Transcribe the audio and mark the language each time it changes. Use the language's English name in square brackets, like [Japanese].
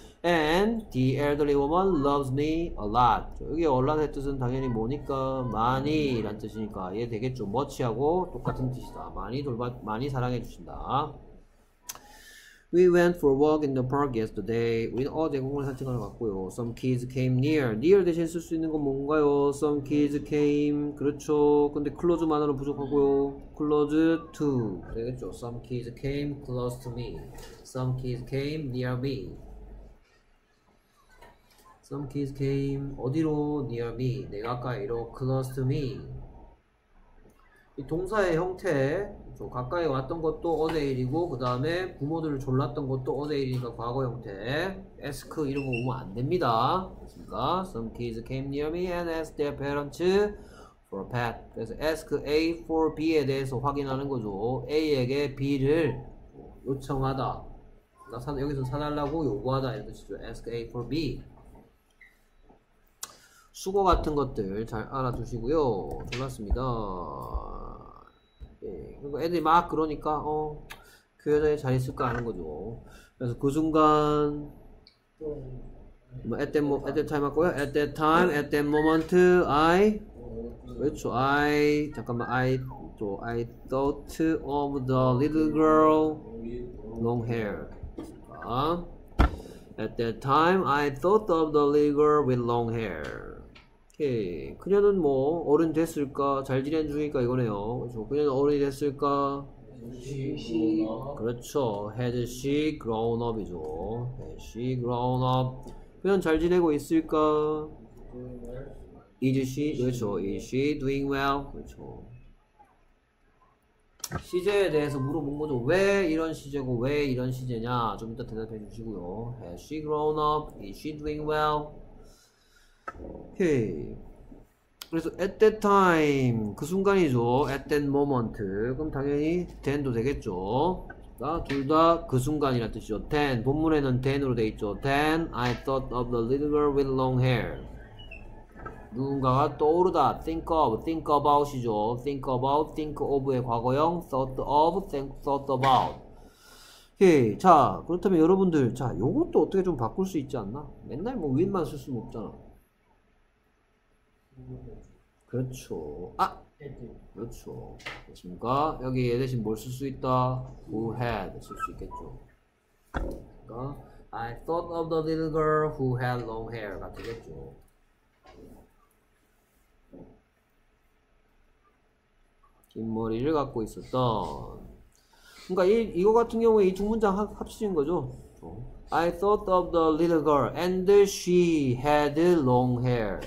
[English] And the elderly woman loves me a lot. [Korean] 여기 a lot의 뜻은 당연히 뭐니까 많이 라는 뜻이니까 얘 되겠죠. much하고 똑같은 뜻이다. 많이 사랑해 주신다. [English] We went for a walk in the park yesterday. [Korean] 우리는 어제 공원 산책하러 갔고요. [English] Some kids came near. near [Korean] 대신 쓸 수 있는 건 뭔가요? [English] Some kids came. 그렇죠. [Korean] 근데 close만으로 부족하고요. close to 되겠죠. [English] Some kids came close to me. Some kids came near me. Some kids came [Korean] 어디로 [English] near me [Korean] 내 가까이로 [English] close to me [Korean] 이 동사의 형태 저 가까이 왔던 것도 어제 일이고 그 다음에 부모들을 졸랐던 것도 어제 일이니까 과거 형태 ask 이런 거 오면 안 됩니다. 그렇습니까? [English] Some kids came near me and asked their parents for a pet. [Korean] 그래서 ask A for B에 대해서 확인하는 거죠. A에게 B를 요청하다 여기서 사달라고 요구하다 이런 뜻이죠. ask A for B 수거 같은 것들 잘 알아두시고요. 좋았습니다. 예, 애들이 막 그러니까 그 여자에 잘 있을까 하는 거죠. 그래서 그 순간 at that moment I 그렇죠. [English] I thought of the little girl long hair. 아, at that time I thought of the little girl with long hair. [Korean] 그녀는 뭐 어른 됐을까 잘 지낸 중이니까 이거네요. 그렇죠. 그녀는 어른이 됐을까? [English] She [Korean] 그렇죠. [English] Has she grown up이죠. Has she grown up? [Korean] 그녀는 잘 지내고 있을까? [English] Is she 그렇죠. Is she doing well? 그렇죠. [Korean] 시제에 대해서 물어본 거죠. 왜 이런 시제고 왜 이런 시제냐 좀 이따 대답해 주시고요. [English] Has she grown up? Is she doing well? [Korean] 오케이. [English] Okay. [Korean] 그래서 at that time 그 순간이죠. at that moment 그럼 당연히 then도 되겠죠. 그러니까 둘 다 그 순간이란 뜻이죠. then 본문에는 then으로 돼 있죠. [English] then I thought of the little girl with long hair. [Korean] 누군가가 떠오르다 [English] think about이죠. think about, think of [Korean] 의 과거형 [English] thought of, think, thought about. [Korean] 오케이. 자 그렇다면 여러분들 자 요것도 어떻게 좀 바꿀 수 있지 않나? 맨날 뭐 with만 쓸 수는 없잖아. 그렇죠. 아! 그렇죠. 그렇습니까? 여기 얘 대신 뭘 쓸 수 있다? who had 쓸 수 있겠죠. [English] 그러니까 I thought of the little girl who had long hair [Korean] 가 되겠죠. 긴 머리를 갖고 있었던 그러니까 이거 같은 경우에 이 두 문장 합치는 거죠. [English] I thought of the little girl and she had long hair.